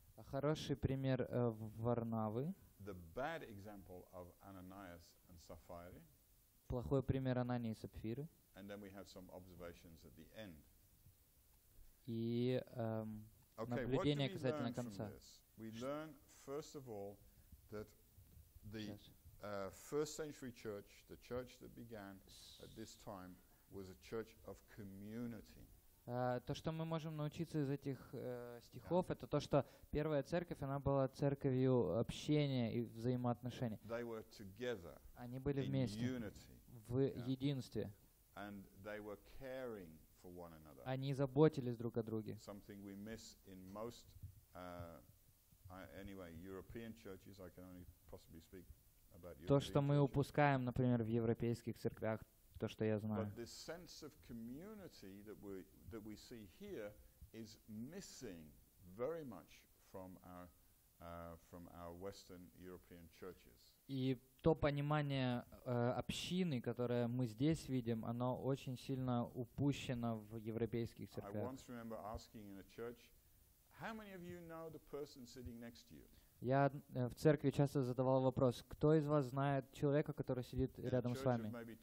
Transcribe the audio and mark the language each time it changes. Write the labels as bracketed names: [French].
[Russian] Хороший пример Варнавы. [English] The bad example of Ananias and Sapphira. [Russian] Плохой пример Анании и Сапфиры. [English] And then we have some observations at the end. [Russian] И наблюдение касательно конца. [English] We learn first of all that the first century church, the church that began at this time, was a church of community. [Russian] То, что мы можем научиться из этих стихов, это то, что первая церковь, она была церковью общения и взаимоотношений. [English] They were together. [Russian] Они были вместе, [English] in unity, [Russian] в единстве. [English] And they were caring for one another. [Russian] Они заботились друг о друге. [English] Something we miss in most anyway, European churches, I can only possibly speak about European. [Russian] То, что мы упускаем, например, в европейских церквях, то, что я знаю. [English] But this sense of community that we see here is missing very much from our Western European churches. [Russian] И то понимание общины, которое мы здесь видим, оно очень сильно упущено в европейских церквях. [English] I once remember asking in a church, how many of you know the person sitting next to you? [Russian] Я в церкви часто задавал вопрос, кто из вас знает человека, который сидит рядом с вами?